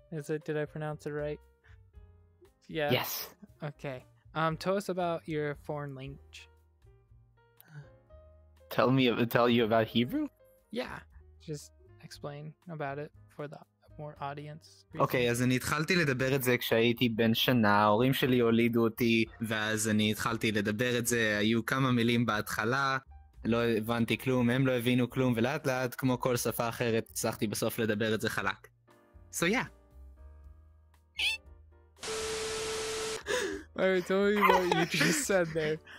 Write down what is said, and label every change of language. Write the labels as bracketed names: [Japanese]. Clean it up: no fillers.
[English] Is it, did I pronounce it right? Yeah. Yes. Okay. Tell us about your foreign language. Tell you about Hebrew? Yeah, just explain about it for the more audience אוקיי, reasons. [Hebrew] אז אני התחלתי לדבר את זה כשהייתי בן שנה, ההורים שלי הולידו אותי, ואז אני התחלתי לדבר את זה, היו כמה מילים בהתחלה, לא הבנתי כלום, הם לא הבינו כלום, ולאט לאט, כמו כל שפה אחרת, הצלחתי בסוף לדבר את זה חלק. [English] So yeah. Alright, tell me what you just said there.